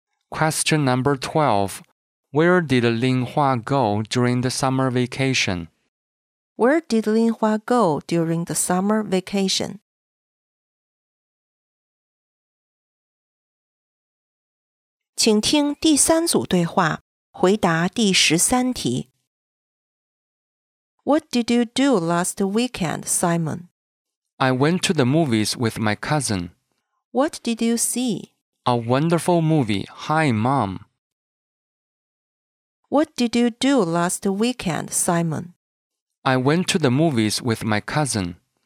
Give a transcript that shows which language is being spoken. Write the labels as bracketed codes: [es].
[en] Question number 12. Where did Lin Hua go during the summer vacation? Where did Lin Hua go during the summer vacation? [zh] 请听第三组对话，回答第十三题。 [en] What did you do last weekend, Simon? I went to the movies with my cousin. What did you see? A wonderful movie, Hi Mom. What did you do last weekend, Simon? I went to the movies with my cousin.